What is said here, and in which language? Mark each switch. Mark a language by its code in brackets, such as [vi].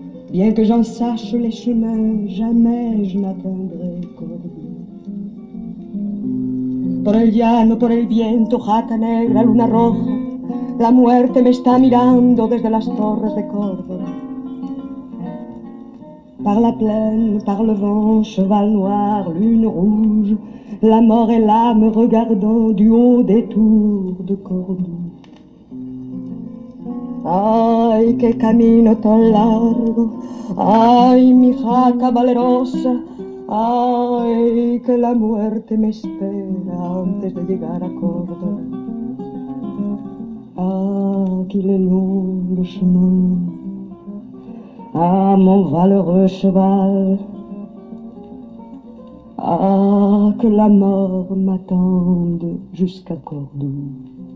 [fr] Bien que j'en sache les chemins, jamais je n'atteindrai Córdoba. [es] Por el llano, por el viento, jaca negra, luna roja, la muerte me está mirando desde las torres de Córdoba. [fr] Par la plaine, par le vent, cheval noir, lune rouge, la mort est là me regardant du haut des tours de Cordoue. [es] Ay, que camino tan largo, ay, mi jaca valerosa, ay, que la muerte me espera antes de llegar a Cordoue. [fr] Ah, qu'il est long le chemin. Ah, mon valeureux cheval, ah, que la mort m'attende jusqu'à Cordoue.